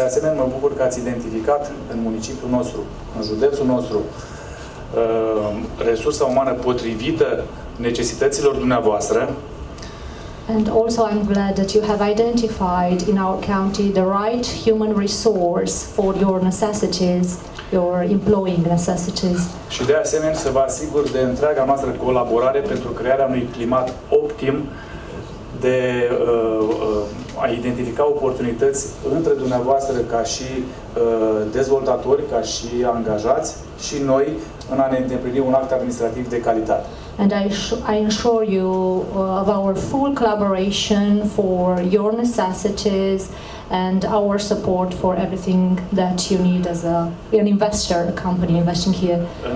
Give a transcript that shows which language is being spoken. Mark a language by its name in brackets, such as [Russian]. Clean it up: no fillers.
[Romanian] De asemenea, mă bucur că ați identificat în municipiul nostru, în județul nostru, resursa umană potrivită necesităților dumneavoastră. [English] And also I'm glad that you have identified in our county the right human resource for your necessities, your employing necessities. [Romanian] Și de asemenea să vă asigur de întreaga noastră colaborare pentru crearea unui climat optim de a identifica oportunități între dumneavoastră ca și dezvoltatori, ca și angajați și noi în a ne îndeplini un act administrativ de calitate. [English] And I assure you of our full collaboration for your necessities and our support for everything that you need as an investor, a company investing here.